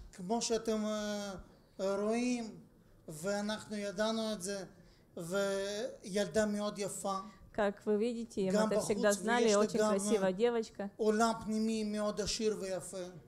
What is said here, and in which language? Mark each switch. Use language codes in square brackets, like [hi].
[he] כמו שאתם רואים, ואנחנו ידענו את זה, וילדה מאוד יפה. [ru] Как вы видите, мы это всегда знали, очень красивая девочка. [he] עולם פנימי מאוד עשיר ויפה.